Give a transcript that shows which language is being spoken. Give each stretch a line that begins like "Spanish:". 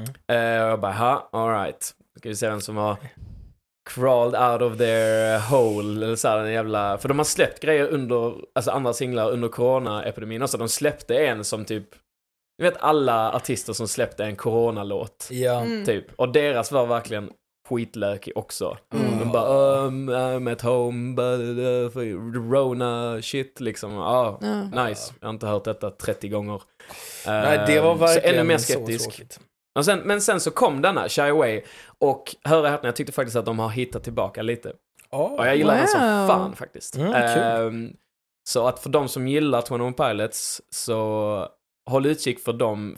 Swedish: Och jag bara, all right. Ska vi se vem som har
English: crawled out of their hole
Swedish: eller så här, den jävla, för de har släppt grejer under, alltså andra singlar under coronaepidemin också. De släppte en som typ, ni vet alla artister som släppte en coronalåt typ, och deras var verkligen skitlökig också. De bara
English: I'm at home but Rona shit
Swedish: liksom. Nice, jag har inte hört detta 30 gånger. Nej, det var verkligen så, ännu mer skeptisk. Men sen så kom denna, Shy Away. Och hör och häpna, jag tyckte faktiskt att de har hittat tillbaka lite. Oh, och jag gillar den som fan faktiskt. Mm, så att för de som gillar 21 Pilots, så håll utkik för dem.